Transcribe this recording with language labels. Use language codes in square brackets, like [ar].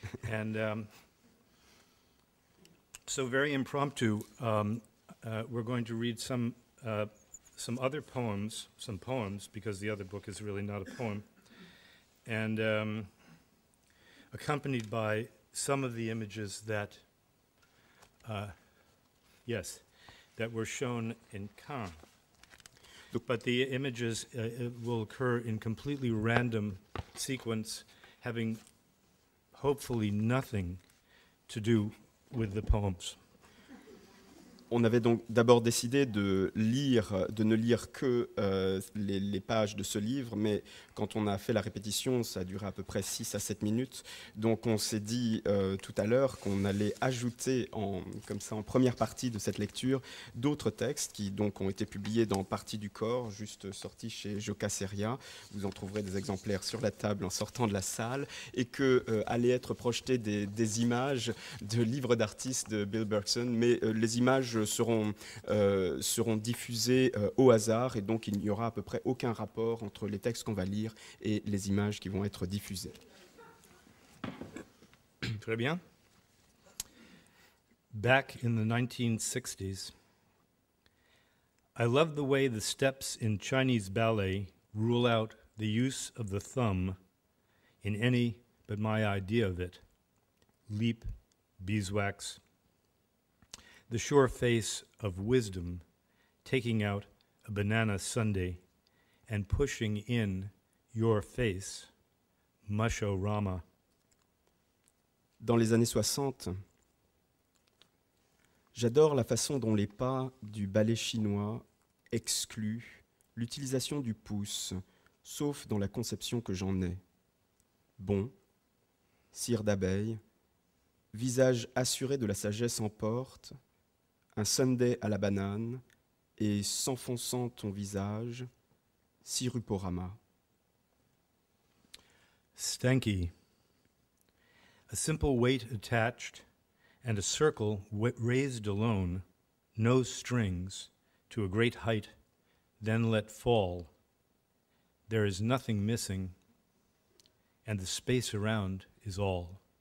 [en] And so very impromptu, we're going to read some other poems, because the other book is really not a poem, and accompanied by some of the images that, yes, that were shown in Cannes. But the images will occur in completely random sequence, having hopefully nothing to do with the poems. [fr] On avait donc d'abord décidé de lire, de ne lire que les pages de ce livre, mais quand on a fait la répétition, ça a duré à peu près 6 à 7 minutes. Donc on s'est dit tout à l'heure qu'on allait ajouter, en première partie de cette lecture, d'autres textes qui donc ont été publiés dans Partie du corps, juste sortis chez Jocaseria. Vous en trouverez des exemplaires sur la table en sortant de la salle, et que allaient être projetées des images de livres d'artistes de Bill Bergson, mais les images seront diffusées au hasard, et donc il n'y aura à peu près aucun rapport entre les textes qu'on va lire et les images qui vont être diffusées. Très bien. [en] Back in the 1960s, I love the way the steps in Chinese ballet rule out the use of the thumb in any but my idea of it. Leap, beeswax, the sure face of wisdom, taking out a banana sundae and pushing in your face, Mushorama. [fr] Dans les années 60, j'adore la façon dont les pas du ballet chinois excluent l'utilisation du pouce, sauf dans la conception que j'en ai. Bon, cire d'abeille, visage assuré de la sagesse en porte, un sundae à la banane, et s'enfonçant ton visage, Siruporama. [en] Stanky. A simple weight attached, and a circle raised alone, no strings, to a great height, then let fall. There is nothing missing, and the space around is all.